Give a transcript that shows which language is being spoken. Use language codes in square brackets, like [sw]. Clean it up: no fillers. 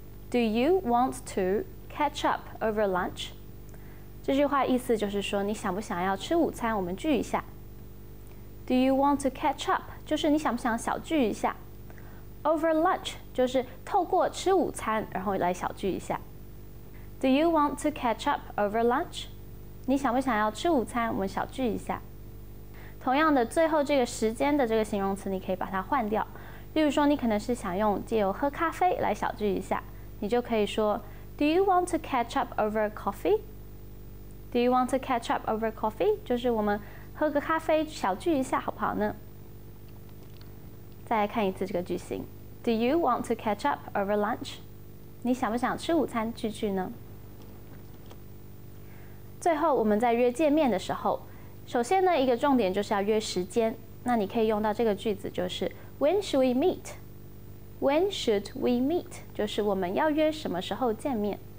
[en] Do you want to catch up over lunch? [zh] 这句话意思就是说你想不想要吃午餐我们聚一下。 [en] Do you want to catch up? [zh] 就是你想不想小聚一下。 [en] Over lunch [zh] 就是透过吃午餐然后来小聚一下。 [en] Do you want to catch up over lunch? [zh] 你想不想要吃午餐我们小聚一下。同样的，最后这个时间的这个形容词你可以把它换掉，例如说你可能是想用借由喝咖啡来小聚一下，你就可以说 [en] Do you want to catch up over coffee? Do you want to catch up over coffee? [zh] 就是我们喝个咖啡小聚一下好不好呢？再来看一次这个句型。 [en] Do you want to catch up over lunch? [zh] 你想不想吃午餐聚聚呢？最后我们在约见面的时候，首先呢一个重点就是要约时间。那你可以用到这个句子就是 [en] When should we meet? [zh] When should we meet? 就是我们要约什么时候见面。